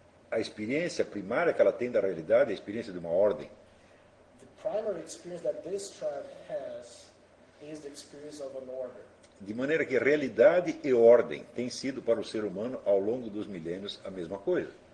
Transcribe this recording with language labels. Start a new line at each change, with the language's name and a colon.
Portuguese: a experiência primária que ela tem da realidade é a experiência de uma ordem.
English: The primary experience that this tribe has is the experience of an order.
Portuguese: De maneira que realidade e ordem têm sido para o ser humano ao longo dos milênios a mesma coisa.